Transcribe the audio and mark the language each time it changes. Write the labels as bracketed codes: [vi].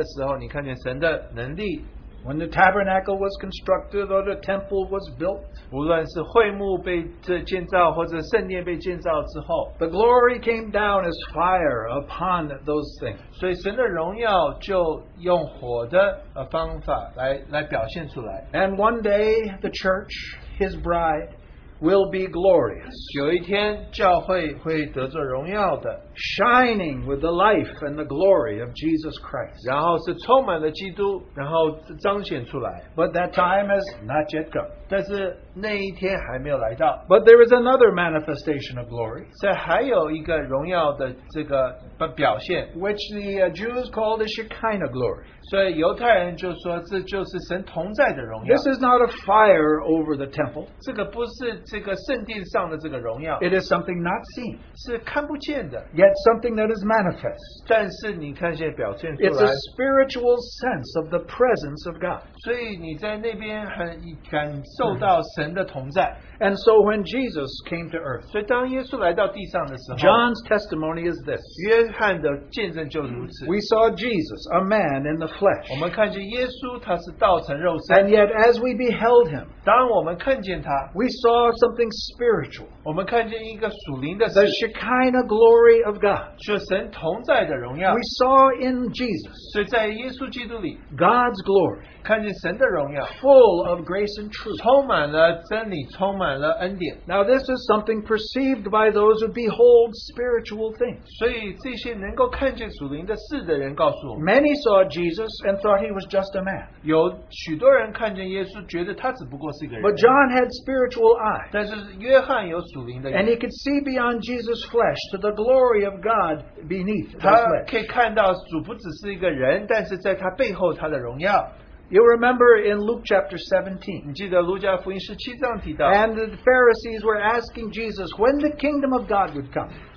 [zh] 所以荣耀一方面你可以看见当一切都显出来的时候你看见神的能力。 [en] When the tabernacle was constructed or the temple was built, [zh] 无论是会幕被建造或者圣殿被建造之后, [en] the glory came down as fire upon those things. [zh] 所以神的荣耀就用火的方法来表现出来。 [en] And one day the church, his bride, will be glorious. [zh] 有一天教会会得着荣耀的, [en] shining with the life and the glory of Jesus Christ. [zh] 然后是充满了基督, 然后彰显出来。 [en] But that time has not yet come. [zh] 但是那一天还没有来到。 [en] But there is another manifestation of glory. [zh] 这还有一个荣耀的这个表现, [en] which the Jews call the Shekinah glory. [zh] 所以犹太人就说这就是神同在的荣耀。 [en] This is not a fire over the temple. [zh] 这个不是这个圣殿上的这个荣耀。 [en] It is something not seen. [zh] 是看不见的。 [en] Yet something that is manifest. [zh] 但是你看现在表现出来, [en] it's a spiritual sense of the presence of God. [zh] 所以你在那边很感受到神的同在。 [en] And so when Jesus came to earth, [zh] 所以当耶稣来到地上的时候, [en] John's testimony is this. [zh] 约翰的见证就如此。 [en] We saw Jesus, a man in the flesh. [zh] 我们看见耶稣他是道成肉身。 [en] And yet as we beheld him, [zh] 当我们看见他, [en] we saw something spiritual. [zh] 我们看见一个属灵的事, [en] the Shekinah glory of God. [zh] 就神同在的荣耀。 [en] We saw in Jesus, [zh] 所以在耶稣基督里, [en] God's glory. [zh] 看见神的荣耀, [en] full of grace and truth. [zh] 充满了真理, [en] now this is something perceived by those who behold spiritual things. [zh] 所以这些能够看见属灵的事的人告诉我们, [en] many saw Jesus and thought he was just a man. [zh] 有许多人看见耶稣觉得他只不过是一个人, [en] but John had spiritual eyes. [zh] 但是约翰有属灵的眼, [en] and he could see beyond Jesus' flesh to the glory of God beneath his flesh. [zh] 他可以看到主不只是一个人, 但是在他背后他的荣耀。 [en] You remember in Luke chapter 17, and the Pharisees were asking Jesus when the kingdom of God would come.